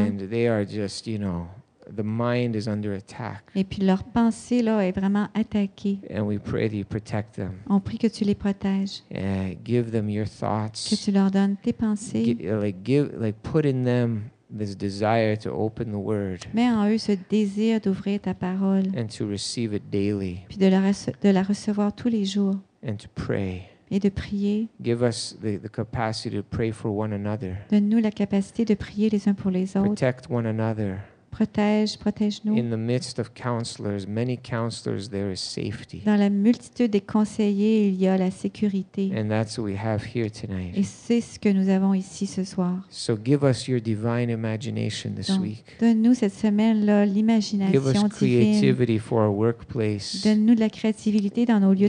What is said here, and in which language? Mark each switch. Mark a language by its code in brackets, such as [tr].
[en] And they are just, you know, the mind is under attack. [fr] Et puis leur pensée là est vraiment attaquée. [en] And we pray that you protect them. [fr] On prie que tu les protèges. [en] Give them your thoughts. [fr] Que tu leur donnes tes pensées. [en] Put in them this desire to open the word. [fr] Mets en eux ce désir d'ouvrir ta parole. [en] And to receive it daily. [fr] Puis de la recevoir tous les jours. [en] And to pray. [fr] Et de prier. [en] Give us the capacity to pray for one another. [fr] Donne-nous la capacité de prier les uns pour les autres. [en] Protect one another. [fr] Protège-nous. [en] In the midst of counselors, many counselors, there is safety. [fr] Dans la multitude des conseillers, il y a la sécurité. [en] And that's what we have here tonight. [fr] Et c'est ce que nous avons ici ce soir. [en] So give us your divine imagination this [fr] Donc, [en] week. [fr] Donne-nous cette semaine-là l'imagination divine. [en] Give us creativity for our workplace. [fr] Donne-nous de la créativité dans nos lieux